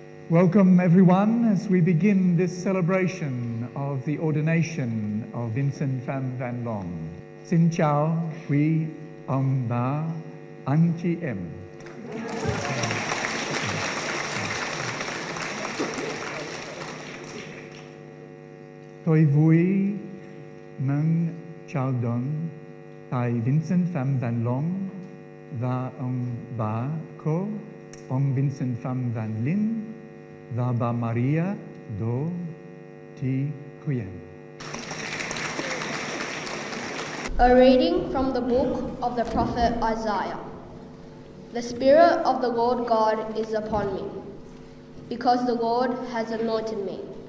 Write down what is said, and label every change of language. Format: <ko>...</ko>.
<en>Welcome everyone as we begin this celebration of the ordination of Vincent Pham Van Long.</en> <vi>Xin chào quý ông bà anh chị em. Tôi vui mừng chào đón thầy Vincent Pham Van Long và ông bà cô, ông Vincent Pham Van Linh và bà Maria Do Thi Quyen.</vi> <en>A reading from the book of the prophet Isaiah. The Spirit of the Lord God is upon me, because the Lord has anointed me.</en>